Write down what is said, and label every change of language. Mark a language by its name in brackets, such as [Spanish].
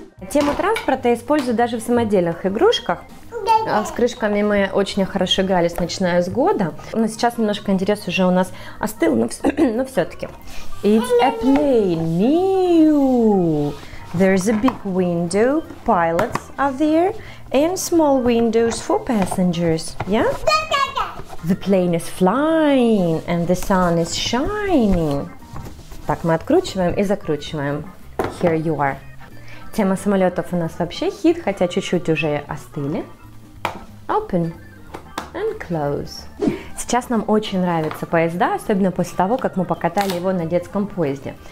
[Russian] Тему транспорта я использую даже в самодельных игрушках. С крышками мы очень хорошо игрались, начиная с года. Но сейчас немножко интерес уже у нас остыл, но все-таки. [English] It's a plane. New. There's a big window, pilots are there, and small windows for passengers, yeah? The plane is flying, and the sun is shining. [Russian] Так, мы откручиваем и закручиваем. [English] Here you are. [Russian] Тема самолетов у нас вообще хит, хотя чуть-чуть уже остыли. [English] Open and close. [Russian] Сейчас нам очень нравятся поезда, особенно после того, как мы покатали его на детском поезде.